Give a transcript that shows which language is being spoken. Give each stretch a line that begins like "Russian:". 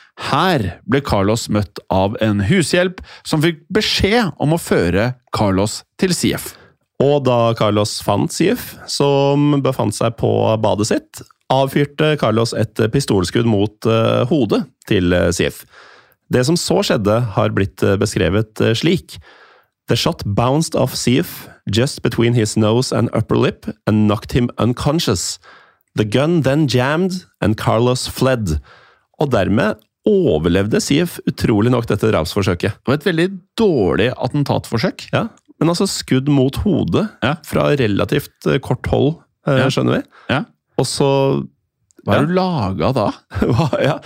Norwegian: Her ble Carlos møtt av en hushjelp som fikk beskjed om å føre Carlos til Seif. Og da Carlos fant Seif, som befant seg på badet sitt, avfyrte Carlos et pistolskudd mot hodet til Seif. Det som så skjedde har blitt beskrevet slik.
English: The shot bounced off Seif just between his nose and upper lip and knocked him unconscious. The gun then jammed and Carlos fled.
Norwegian: Og dermed overlevde Seif utrolig nok dette drapsforsøket. Det var et veldig dårlig attentatforsøk. Ja, men altså skudd mot hodet ja. Fra relativt kort hold, ja. Skjønner vi. Ja. Og så... Hva ja. Du laget da? Hva, ja.